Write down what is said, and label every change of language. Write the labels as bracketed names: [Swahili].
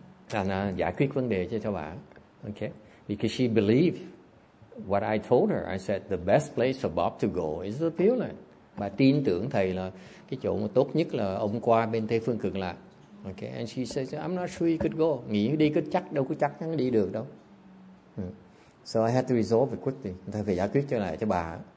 [Vietnamese] Anh giải quyết vấn đề cho bà. [English] Okay. Because she believed what I told her. I said the best place for Bob to go is the Pure Land. [Vietnamese] Bà tin tưởng thầy là cái chỗ tốt nhất là ông qua bên Tây Phương Cực Lạc. [English] Okay, and she says, I'm not sure he could go. [Vietnamese] Nghĩ đi cứ chắc, đâu có chắc chắn đi được đâu. [English] So I had to resolve it quickly. [Vietnamese] Thầy phải giải quyết cho lại cho bà.